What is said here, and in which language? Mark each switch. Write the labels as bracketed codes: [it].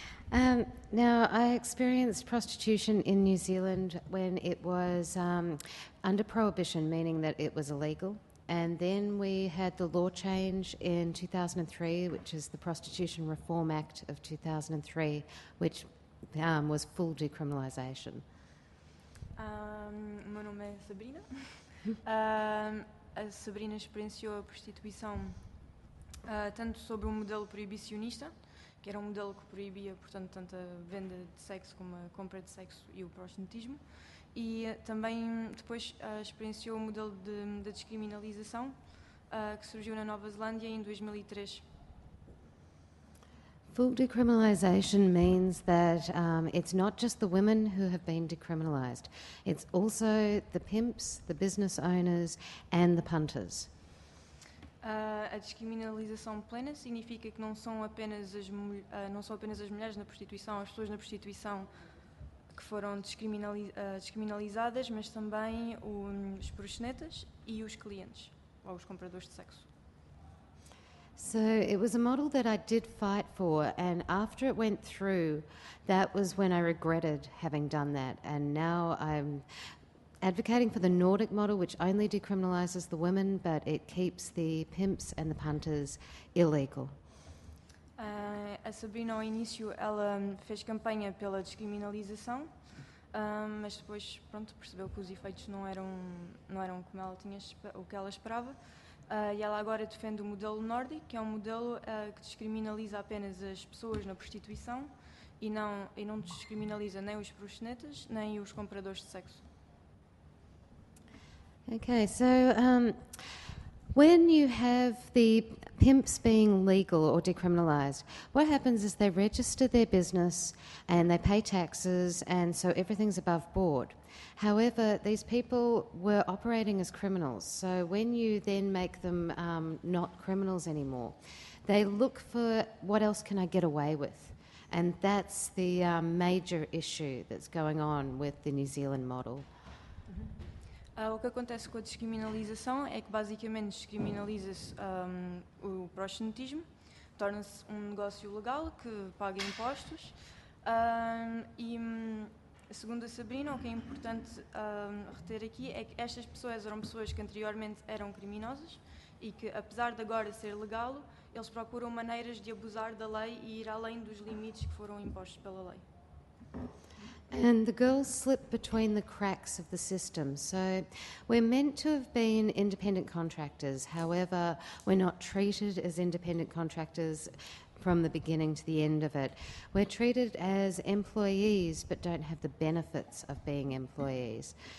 [en] Now, I experienced prostitution in New Zealand when it was under prohibition, meaning that it was illegal. And then we had the law change in 2003, which is the Prostitution Reform Act of 2003, which was full decriminalisation. [pt] Meu nome é Sabrina. A Sabrina experienciou a prostituição tanto sobre um modelo proibicionista, que era um modelo que proibia, portanto, tanto a venda de sexo como a compra de sexo e o proxenetismo, e também depois experienciou o modelo de descriminalização que surgiu na Nova Zelândia em 2003. [en] Full decriminalization means that it's not just the women who have been decriminalized, it's also the pimps, the business owners and the punters. [pt] A descriminalização plena significa que não são apenas as mulheres na prostituição, as pessoas na prostituição que foram descriminalizadas, mas também os proxenetas e os clientes, ou os compradores de sexo. [en] So it was a model that I did fight for, and after it went through, that was when I regretted having done that, and now I'm advocating for the Nordic model, which only decriminalizes the women, but it keeps the pimps and the punters illegal. [pt] A Sabrina, ao início, ela fez campanha pela descriminalização, mas depois, pronto, percebeu que os efeitos não eram como ela tinha o que ela esperava. E ela agora defende o modelo nórdico, que é um modelo que descriminaliza apenas as pessoas na prostituição e não descriminaliza nem os proxenetas, nem os compradores de sexo. [en] Okay, so When you have the pimps being legal or decriminalized, what happens is they register their business and they pay taxes, and so everything's above board. However, these people were operating as criminals. So when you then make them not criminals anymore, they look for what else can I get away with? And that's the major issue that's going on with the New Zealand model. [pt] O que acontece com a descriminalização é que basicamente descriminaliza-se o proxenetismo, torna-se um negócio legal que paga impostos e, segundo a Sabrina, o que é importante reter aqui é que estas pessoas eram pessoas que anteriormente eram criminosas e que, apesar de agora ser legal, eles procuram maneiras de abusar da lei e ir além dos limites que foram impostos pela lei. [en] And the girls slip between the cracks of the system. So we're meant to have been independent contractors. However, we're not treated as independent contractors from the beginning to the end of it. We're treated as employees but don't have the benefits of being employees.